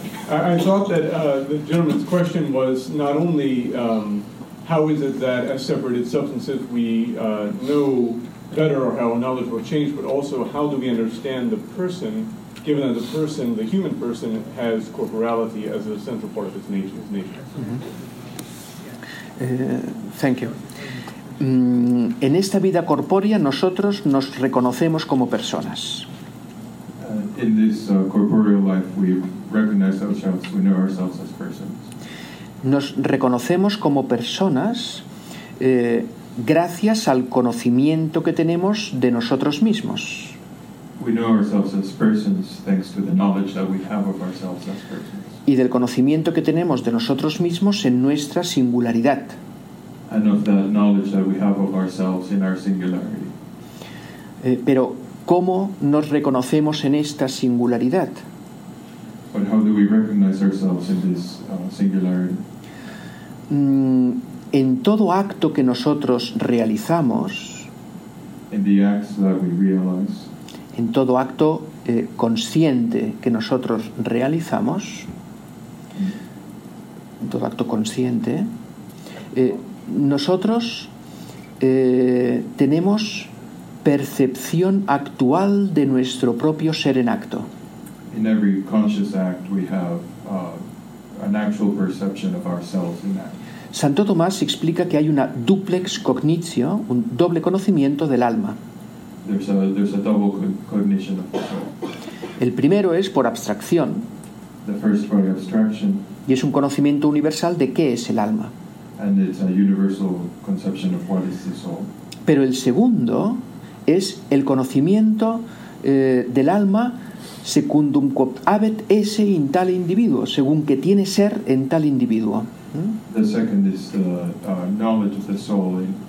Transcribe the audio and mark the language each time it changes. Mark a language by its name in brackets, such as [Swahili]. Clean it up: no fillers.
[English] I thought that the gentleman's question was not only how is it that as separated substances we know better or how knowledge will change, but also how do we understand the person, given that the person, the human person, has corporality as a central part of its nature. Mm-hmm. Thank you. [Spanish] En esta vida corpórea nosotros nos reconocemos como personas. [English] In this corporeal life, we recognize ourselves, we know ourselves as persons. [Spanish] Nos reconocemos como personas gracias al conocimiento que tenemos de nosotros mismos. [English] We know ourselves as persons thanks to the knowledge that we have of ourselves as persons. [Spanish] Y del conocimiento que tenemos de nosotros mismos en nuestra singularidad. [English] And of the knowledge that we have of ourselves in our singularity. [Spanish] Pero ¿cómo nos reconocemos en esta singularidad? [English] But how do we recognize ourselves in this singularity? [Spanish] En todo acto que nosotros realizamos, [English] in the acts that we realize, [Spanish] en todo acto consciente que nosotros realizamos, en todo acto consciente, nosotros tenemos percepción actual de nuestro propio ser en acto. [English] In every conscious act we have an actual perception of ourselves in act. [Spanish] Santo Tomás explica que hay una duplex cognitio, un doble conocimiento del alma. [English] There's a double cognition of the soul. [Spanish] El primero es por abstracción. [English] The first by abstraction. [Spanish] Y es un conocimiento universal de qué es el alma. [English] And it's a universal conception of what is the soul. [Spanish] Pero el segundo es el conocimiento del alma [Latin] secundum quod habet esse in [Spanish] tal individuo, según que tiene ser en tal individuo. [English] The second is the knowledge of the soul